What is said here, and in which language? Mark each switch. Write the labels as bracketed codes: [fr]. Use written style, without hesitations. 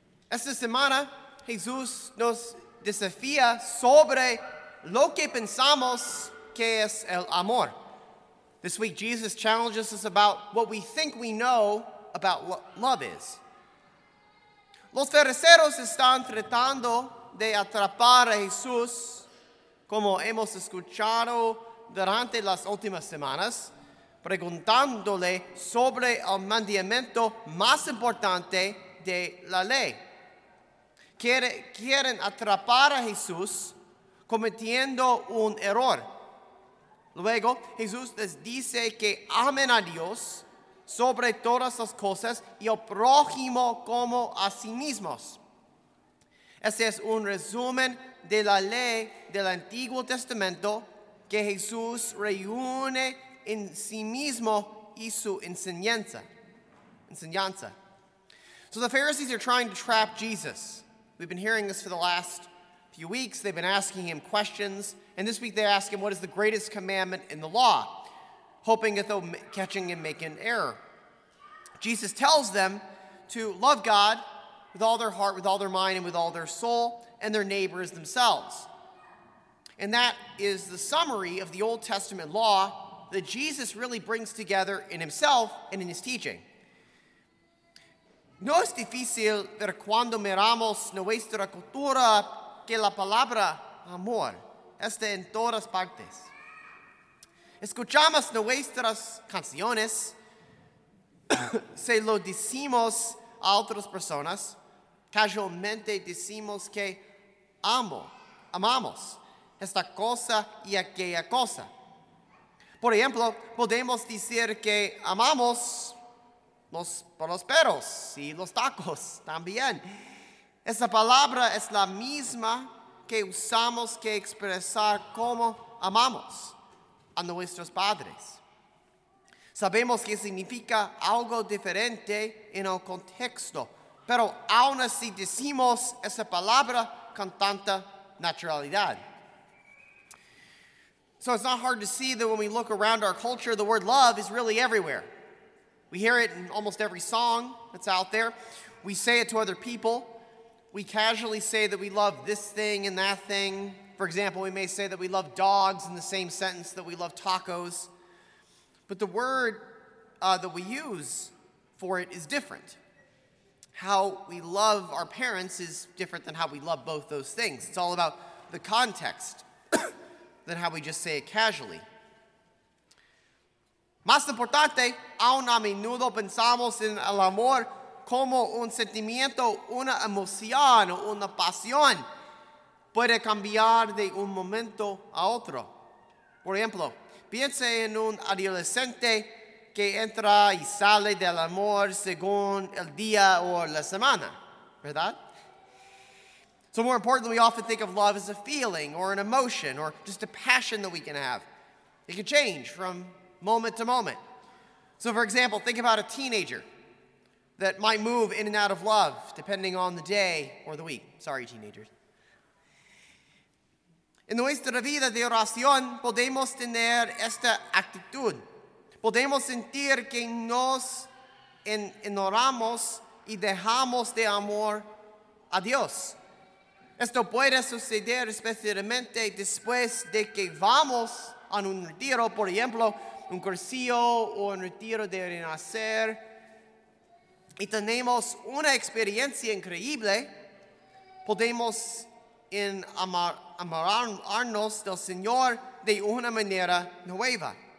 [es] Esta semana, Jesús nos desafía sobre lo que pensamos que es el amor. [en] This week, Jesus challenges us about what we think we know about what love is. [es] Los fariseos están tratando de atrapar a Jesús, como hemos escuchado durante las últimas semanas, preguntándole sobre el mandamiento más importante de la ley. Quieren atrapar a Jesús cometiendo un error. Luego, Jesús les dice que amen a Dios sobre todas las cosas y al prójimo como a sí mismos. Este es un resumen de la ley del Antiguo Testamento que Jesús reúne en sí mismo y su enseñanza. [en] So the Pharisees are trying to trap Jesus. We've been hearing this for the last few weeks. They've been asking him questions. And this week they ask him, what is the greatest commandment in the law? Hoping that they'll catch him making an error. Jesus tells them to love God with all their heart, with all their mind, and with all their soul, and their neighbors themselves. And that is the summary of the Old Testament law that Jesus really brings together in himself and in his teaching. [es] No es difícil ver cuando miramos nuestra cultura que la palabra amor está en todas partes. Escuchamos nuestras canciones, se lo decimos a otras personas, casualmente decimos que amamos esta cosa y aquella cosa. Por ejemplo, podemos decir que amamos los perros y los tacos también. Esa palabra es la misma que usamos que expresar cómo amamos a nuestros padres. Sabemos que significa algo diferente en el contexto, pero aún así decimos esa palabra con tanta naturalidad. [en] So it's not hard to see that when we look around our culture, the word love is really everywhere. We hear it in almost every song that's out there. We say it to other people. We casually say that we love this thing and that thing. For example, we may say that we love dogs in the same sentence that we love tacos. But the word that we use for it is different. How we love our parents is different than how we love both those things. It's all about the context than how we just say it casually. [es] Más importante, aún a menudo pensamos en el amor como un sentimiento, una emoción, una pasión. Puede cambiar de un momento a otro. Por ejemplo, piense en un adolescente que entra y sale del amor según el día o la semana, ¿verdad? [en] So more importantly, we often think of love as a feeling or an emotion or just a passion that we can have. It can change from moment to moment. So for example, think about a teenager that might move in and out of love depending on the day or the week. Sorry, teenagers. [es] En nuestra vida de oración podemos tener esta actitud. Podemos sentir que nos enamoramos y dejamos de amor a Dios. Esto puede suceder especialmente después de que vamos a un retiro, por ejemplo, un cursillo o un retiro de renacer, y tenemos una experiencia increíble, podemos enamorarnos del Señor de una manera nueva.